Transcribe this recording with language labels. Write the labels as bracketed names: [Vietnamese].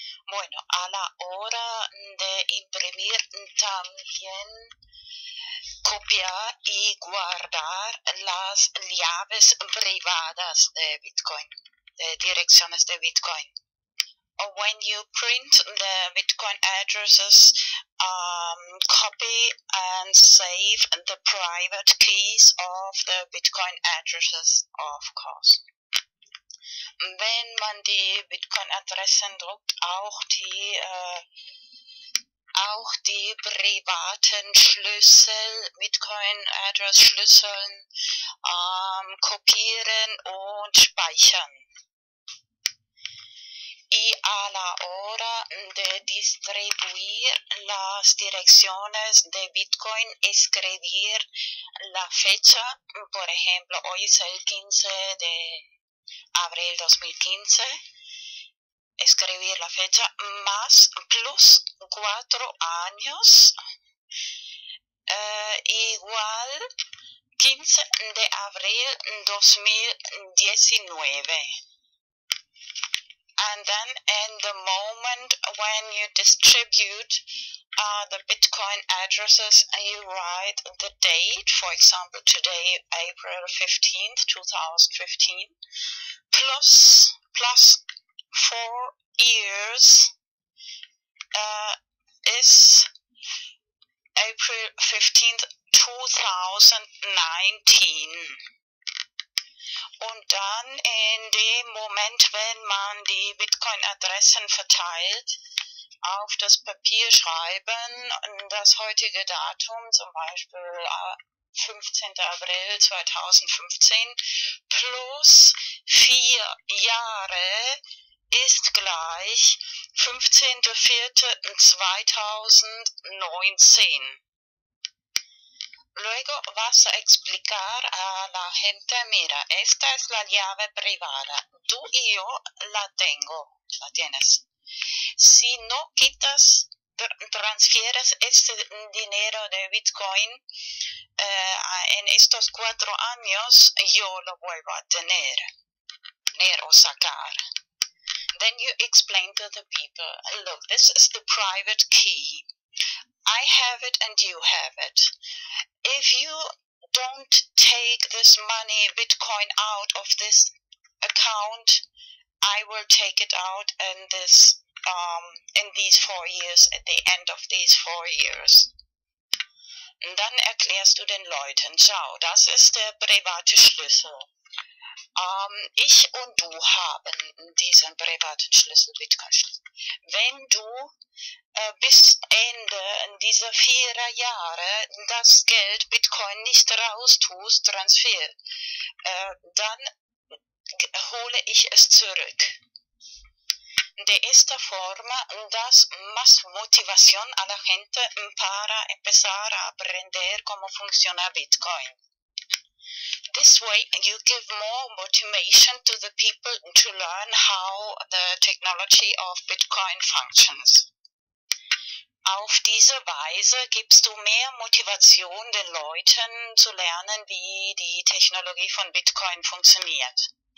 [Spanish] Bueno, a la hora de imprimir también copiar y guardar las llaves privadas de Bitcoin, de direcciones de Bitcoin. [English] When you print the Bitcoin addresses, copy and save the private keys of the Bitcoin addresses, of course. [German] Wenn man die Bitcoin-Adressen druckt, auch die privaten Schlüssel, Bitcoin-Address-Schlüsseln, kopieren und speichern. [Spanish] Y a la hora de distribuir las direcciones de Bitcoin, escribir la fecha, por ejemplo, hoy es el 15 de abril 2015, escribir la fecha más plus 4 años igual 15 de abril 2019. [English] And then in the moment when you distribute the Bitcoin addresses, you write the date, for example, today, April 15th, 2015, plus 4 years is April 15th, 2019. [German] Und dann in dem Moment, wenn man die Bitcoin-Adressen verteilt, auf das Papier schreiben, das heutige Datum, zum Beispiel 15. April 2015, plus 4 Jahre ist gleich 15.04.2019. [Spanish] Luego vas a explicar a la gente, mira, esta es la llave privada, tú y yo la tengo, la tienes. Si no quitas, transfieres este dinero de Bitcoin en estos 4 años, yo lo vuelvo a tener o sacar. [English] Then you explain to the people, look, this is the private key. I have it and you have it. If you don't take this money, Bitcoin, out of this account, I will take it out and this... in these 4 years, at the end of these 4 years. [German] Und dann erklärst du den Leuten, schau, das ist der private Schlüssel. Ich und du haben diesen privaten Schlüssel, Bitcoin-Schlüssel. Wenn du bis Ende dieser 4 Jahre das Geld Bitcoin nicht raus tust, Transfer, dann hole ich es zurück. [Spanish] De esta forma das más motivación a la gente para empezar a aprender cómo funciona Bitcoin. [English] This way you give more motivation to the people to learn how the technology of Bitcoin functions. [German] Auf diese Weise gibst du mehr Motivation den Leuten zu lernen, wie die Technologie von Bitcoin funktioniert.